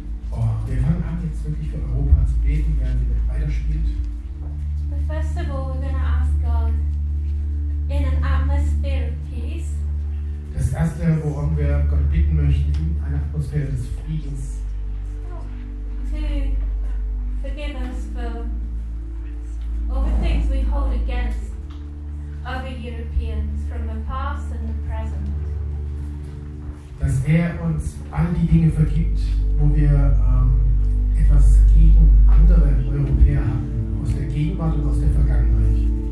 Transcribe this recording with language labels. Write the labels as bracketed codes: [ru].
[de] Oh, wir fangen an, jetzt wirklich für Europa zu beten, während ihr weiterspielt. [en] But first of all, we're going to ask God in an atmosphere of peace. [de] Das Erste, worum wir Gott bitten möchten, in einer Atmosphäre des Friedens. [en] To forgive us for all the things we hold against other Europeans from the past and the present. [de] Dass uns all die Dinge vergibt, wo wir etwas gegen andere Europäer haben, aus der Gegenwart und aus der Vergangenheit.